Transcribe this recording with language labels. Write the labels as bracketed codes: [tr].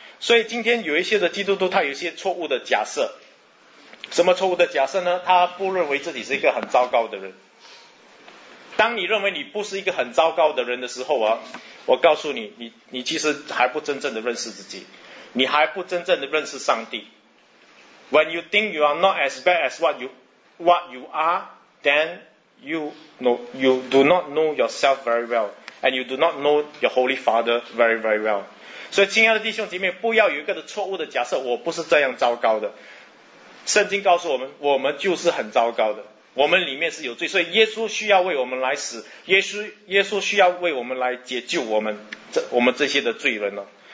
[zh] 所以今天有一些的基督徒，他有一些错误的假设。什么错误的假设呢？他不认为自己是一个很糟糕的人。当你认为你不是一个很糟糕的人的时候啊，我告诉你，你其实还不真正的认识自己，你还不真正的认识上帝。 [en] When you think you are not as bad as what you are, then you do not know yourself very well, and you do not know your Holy Father very very well. [zh] 所以，亲爱的弟兄姐妹，不要有一个的错误的假设，我不是这样糟糕的。圣经告诉我们，我们就是很糟糕的。我们里面是有罪，所以耶稣需要为我们来死，耶稣需要为我们来解救我们这些的罪人了。